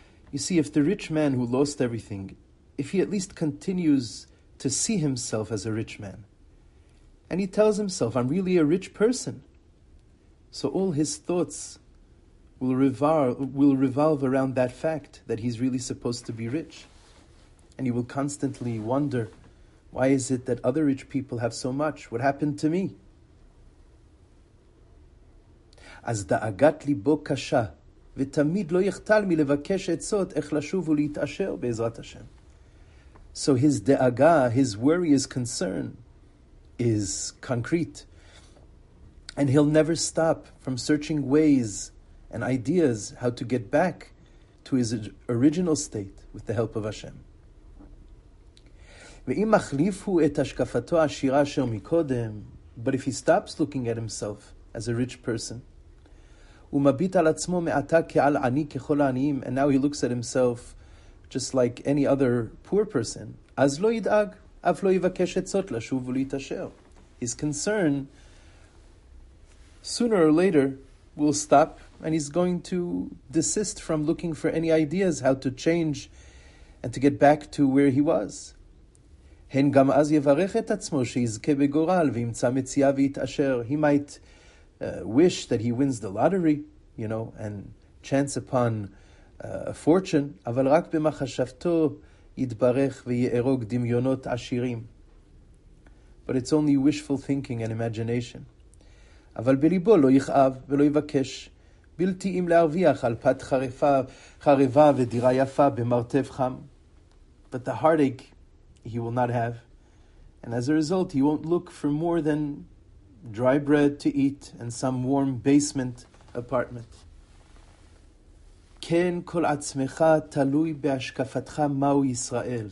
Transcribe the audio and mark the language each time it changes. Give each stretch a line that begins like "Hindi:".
English: You see, if the rich man who lost everything, if he at least continues to see himself as a rich man, and he tells himself, I'm really a rich person, so all his thoughts will revolve around that fact, that he's really supposed to be rich. And he will constantly wonder, why is it that other rich people have so much? What happened to me?
Hebrew: אז דאגת ליבו קשה, ותמיד לא יחתל מלבקש עצות איך לשוב ולהתאשר בעזרת השם.
English: So his דאגה, his worry, his concern is concrete. And he'll never stop from searching ways and ideas how to get back to his original state with the help of Hashem.
Hebrew: ואם מחליפו את השקפתו העשירה אשר מקודם,
English: but if he stops looking at himself as a rich person,
Hebrew: ומביט על עצמו מעתה כעל עני ככל העניים,
English: and now he looks at himself just like any other poor person,
Hebrew: אז לא ידאג, אף לא יבקש עצות לשוב ולהתעשר.
English: His concern, sooner or later, will stop, and he's going to desist from looking for any ideas how to change and to get back to where he was.
Hebrew: הן גם אז יברך את עצמו שיזכה בגורל וימצא מציאה ויתעשר.
English: He might wish that he wins the lottery, you know, and chance upon a fortune,
Hebrew: אבל רק במחשבתו יתברך ויערוג דמיונות עשירים.
English: But it's only wishful thinking and imagination.
Hebrew: אבל בליבו לא יכאב ולא יבקש, בלתי אם להרוויח על פת חרבה ודירה יפה במרתף חם.
English: But the heartache he will not have, and as a result he won't look for more than dry bread to eat and some warm basement apartment.
Hebrew: Ken kol atzmecha talui be'ashkafatcha ma'u Yisrael.